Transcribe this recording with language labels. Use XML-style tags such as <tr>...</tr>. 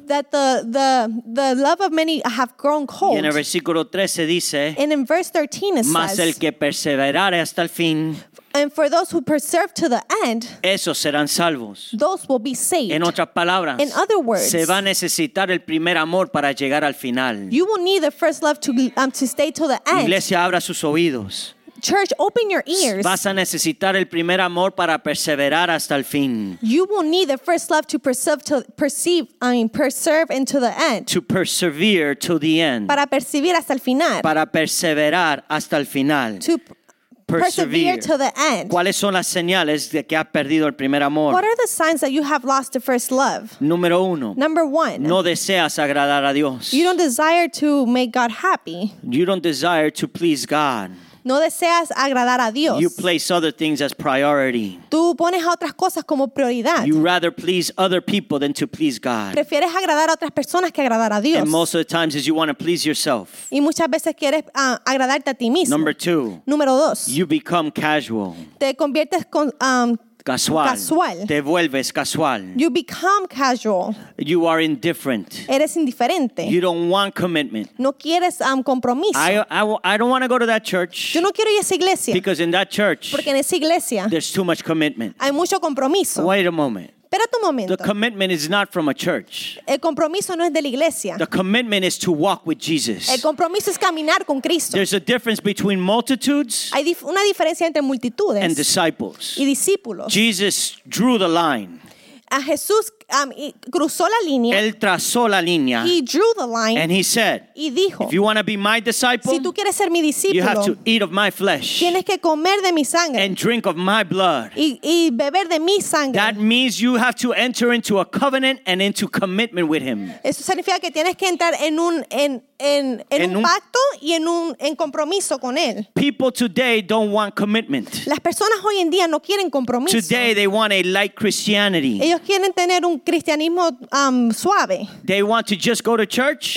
<en>that the love of many have grown cold.</en> <es>Y en el versículo 13 dice,</es> <en>and in verse 13 it</en> <es>más</es> <en>says,</en> <es>el que perseverare hasta el fin,</es> <en>and for those who persevere to the end,</en> <es>esos serán salvos.</es> <en>Those will be saved.</en> <es>En otras palabras,</es> <en>in other words,</en> <es>se va a necesitar el primer amor para llegar al final.</es> <en>You will need the first love to stay till the end.</en> <es>Iglesia, abra sus oídos.</es> <en>Church, open your ears.</en> <es>Vas a necesitar el primer amor para perseverar hasta el fin.</es> <en>You will need the first love to persevere until the end. To persevere to the end.</en> <es>Para percibir hasta el final. Para perseverar hasta el final.</es> <en>To persevere to the end.</en> <es>¿Cuáles son las señales de que has perdido el primer amor?</es> <en>What are the signs that you have lost the first love?</en> <es>Número uno.</es> <en>Number one.</en> <es>No deseas agradar a Dios.</es> <en>You don't desire to make God happy. You don't desire to please God.</en> <es>No deseas agradar a Dios.</es> <en>You place other things as priority.</en> <es>Tú pones a otras cosas como prioridad.</es> <en>You rather please other people than to please God.</en> <es>Prefieres agradar a otras personas que agradar a Dios.</es> <en>And most of the times is you want to please yourself.</en> <es>Y muchas veces quieres agradarte a ti mismo.</es> <en>Number two.</en> <es>Número dos.</es> <en>You become casual.</en> <es>Te conviertes con casual. Te vuelves casual.</es> <en>You become casual. You are indifferent.</en> <es>Eres indiferente.</es> <en>You don't want commitment.</en> <es>No quieres compromiso.</es> <en>I don't want to go to that church.</en> <es>Yo no quiero ir a esa iglesia.</es> <en>Because in that church,</en> <es>porque en esa iglesia,</es> <en>there's too much commitment.</en> <es>Hay mucho compromiso.</es> <en>Wait a moment.</en> <es>Espérate un momento.</es> <en>The commitment is not from a church.</en> <es>El compromiso no es de la iglesia.</es> <en>The commitment is to walk with Jesus.</en> <es>El compromiso es caminar con Cristo.</es> <en>There's a difference between multitudes.</en> <es>Hay una diferencia entre multitudes.</es> <en>And disciples.</en> <es>Y discípulos.</es> <en>Jesus drew the line.</en> <es>A Jesús cruzó la línea. Él trazó la línea.</es> <en>He drew the line. And he said,</en> <es>y dijo,</es> <en>if you want to be my disciple,</en> <es>si tú quieres ser mi discípulo,</es> <en>you have to eat of my flesh.</en> <es>Tienes que comer de mi sangre.</es> <en>And drink of my blood.</en> <es>Y beber de mi sangre.</es> <en>That means you have to enter into a covenant and into commitment with him.</en> <es>Eso significa que tienes que entrar en un pacto y en compromiso con él.</es> <en>People today don't want commitment.</en> <es>Las personas hoy en día no quieren compromiso.</es> <en>Today they want a light Christianity.</en> <es>Ellos quieren tener un cristianismo suave.</es> <en>They want to just go to church.</en>